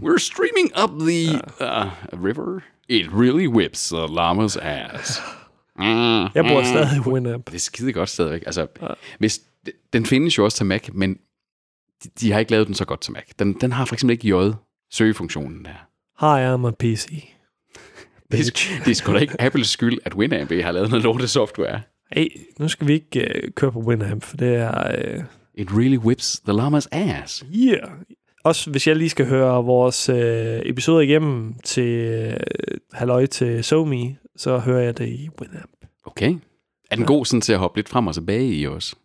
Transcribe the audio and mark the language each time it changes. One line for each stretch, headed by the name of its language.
English: We're streaming up the river. It really whips a llama's ass.
Danish: Jeg bor stadig i Winamp. Det er skide godt stadigvæk. Altså, hvis, den findes jo også til Mac, men de har ikke lavet den så godt til Mac. Den har for eksempel ikke J-søgefunktionen der.
English: Hi, I'm a PC.
Danish: Det er sgu da ikke Apples skyld, at Winamp har lavet noget lorte software. Hey, nu skal vi ikke køre på Winamp, for det er...
English: It really whips the llama's ass. Yeah.
Danish: Også hvis jeg lige skal høre vores episode igennem til halløj til SoMe, så hører jeg det i Winamp. Okay. Er den god sådan til at hoppe lidt frem og tilbage i os?